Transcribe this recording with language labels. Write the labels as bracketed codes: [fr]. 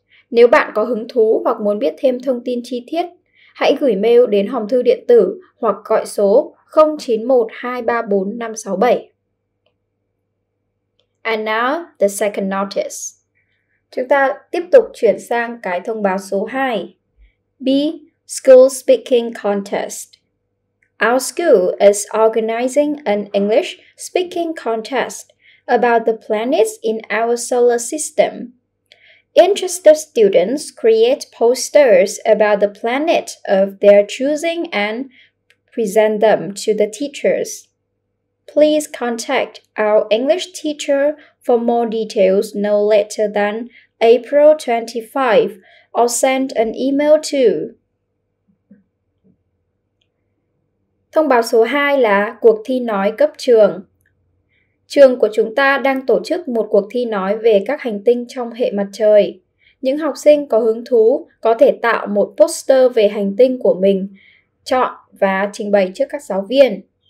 [vi] Nếu bạn có hứng thú hoặc muốn biết thêm thông tin chi tiết, hãy gửi mail đến hòm thư điện tử hoặc gọi số 0912345678. [en] And now the second notice. [vi] Chúng ta tiếp tục chuyển sang cái thông báo số 2. [en] B. School Speaking Contest. Our school is organizing an English speaking contest about the planets in our solar system. Interested students create posters about the planet of their choosing and present them to the teachers. Please contact our English teacher for more details no later than April 25 or send an email to. [vi] Thông báo số 2 là cuộc thi nói cấp trường. Trường của chúng ta đang tổ chức một cuộc thi nói về các hành tinh trong hệ mặt trời. Những học sinh có hứng thú có thể tạo một poster về hành tinh của mình, chọn và trình bày trước các giáo viên.